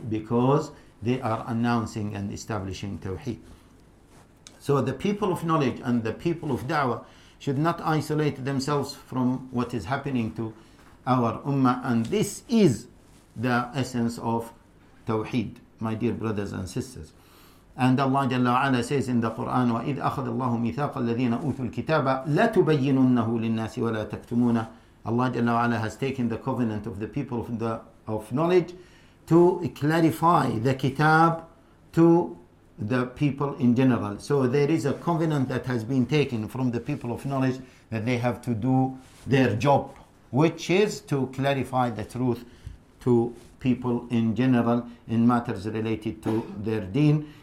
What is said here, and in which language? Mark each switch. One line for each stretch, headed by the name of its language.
English: Because they are announcing and establishing Tawheed. So the people of knowledge and the people of da'wah should not isolate themselves from what is happening to our ummah, and this is the essence of Tawheed, my dear brothers and sisters. And Allah Jalla wa Ala says in the Quran,
Arabic: وَإِذْ أَخَذَ اللَّهُ مِثَاقَ الَّذِينَ أُوتُوا الْكِتَابَ لَتُبَيِّنُنَّهُ لِلنَّاسِ وَلَا تَكْتُمُونَ.
English: Allah Jalla wa Ala has taken the covenant of the people of knowledge to clarify the kitab to the people in general. So there is a covenant that has been taken from the people of knowledge that they have to do their job, which is to clarify the truth to people in general in matters related to their deen.